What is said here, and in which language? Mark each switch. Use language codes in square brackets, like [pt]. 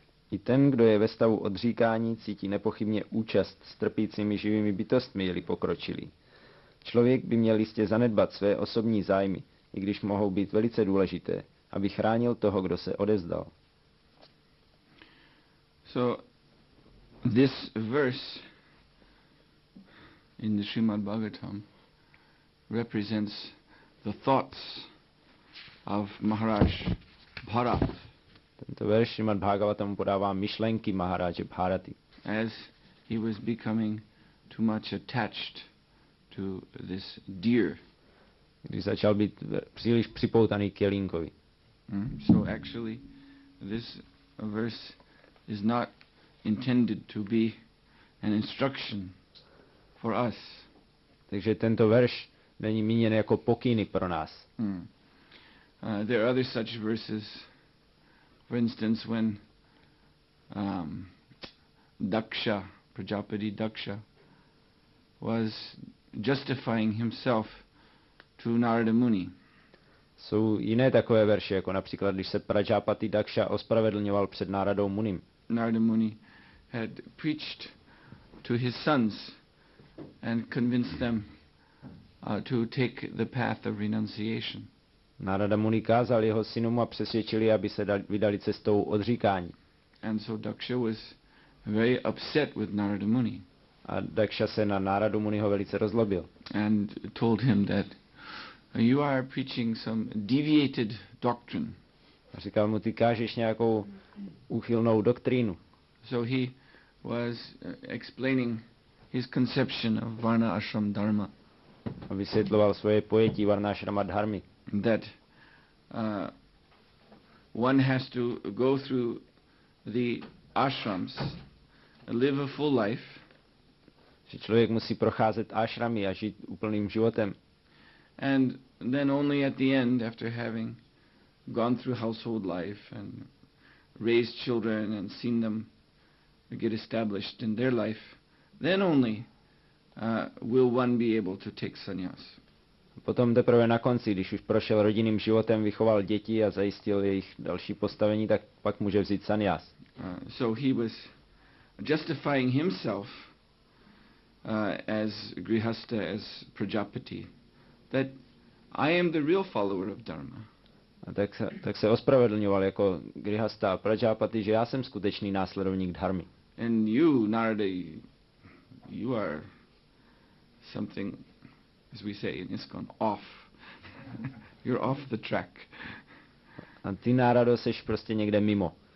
[cs] I ten, kdo je ve stavu odříkání, cítí nepochybně účast s trpícími živými bytostmi, jeli pokročili. Člověk by měl jistě zanedbat své osobní zájmy, i když mohou být velice důležité, aby chránil toho, kdo se odevzdal. [en] So, this verse in the Srimad Bhagavatam represents the thoughts of Maharaj Bharat. [cs] Tento verš Srimad Bhagavatam podává myšlenky Maharaje Bharaty. [en] As he was becoming too much attached to this deer. [cs] Když začal být příliš připoutaný k jelínkovi. [en] So actually this verse is not intended to be an instruction for us. [cs] Takže tento verš není míněn jako pokyny pro nás. [en] There are other such verses. For instance, when Daksha, Prajapati Daksha, was justifying himself to Narada Muni. [cs] Jsou jiné takové verše, jako například, když se Prajapati Daksha ospravedlňoval před Náradou Munim. [en] Narada Muni had preached to his sons and convinced them to take the path of renunciation. [cs] Narada Muni kázal jeho synům a přesvědčili, aby se vydali cestou odříkání. [en] And so Daksha was very upset with Narada Muni. [cs] A Daksha se na Narada Muniho velice rozlobil. [en] And told him that you are preaching some deviated doctrine. [cs] A říkal mu, ty kážeš nějakou úchylnou doktrínu. [en] So he was explaining his conception of Varna Ashram Dharma. [cs] A vysvětloval svoje pojetí Varna Ashrama Dharmy. [en] That one has to go through the ashrams, live a full life. [cs] Že člověk musí procházet ashramy a žít úplným životem. [en] And then only at the end, after having gone through household life and raised children and seen them get established in their life, then only will one be able to take sannyas. [cs] Potom teprve na konci, když už prošel rodinným životem, vychoval děti a zajistil jejich další postavení, tak pak může vzít sannyas. [en] So he was justifying himself as grihasta, as prajapati, that I am the real follower of dharma. [cs] A tak se ospravedlňoval jako grihasta a prajapati, že já jsem skutečný následovník dharmy. [en] And you, Narada, you are something, as we say in ISKCON, off. You're off the track. [cs] A ty, Narado, seš prostě někde mimo.